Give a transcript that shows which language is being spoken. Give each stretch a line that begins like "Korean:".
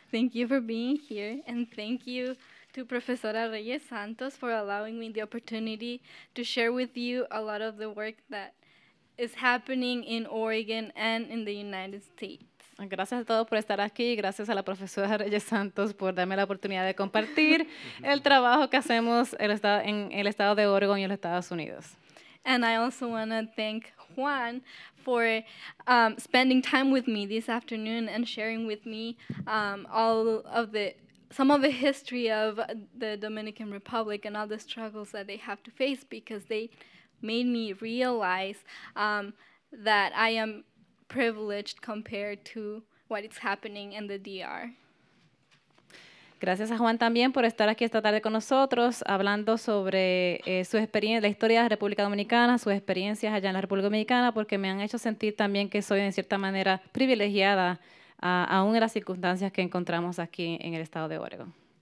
English: Thank you for being here, and thank you to Professora Reyes Santos for allowing me the opportunity to share with you a lot of the work that is happening in Oregon and in the United States.
Spanish: Gracias a todos por estar aquí. Gracias a la profesora Reyes Santos por darme la oportunidad de compartir el trabajo que hacemos en el estado de Oregon y en los Estados Unidos.
English: And I also want to thank Juan for spending time with me this afternoon and sharing with me some of the history of the Dominican Republic and all the struggles that they have to face, because they made me realize that I am privileged compared to what is happening in the DR.
Spanish: Gracias a Juan también por estar aquí esta tarde con nosotros, hablando sobre su experiencia, la historia de la República Dominicana, sus experiencias allá en la República Dominicana, porque me han hecho sentir también que soy, en cierta manera, privilegiada, aún en las circunstancias que encontramos aquí en el estado de Oregon.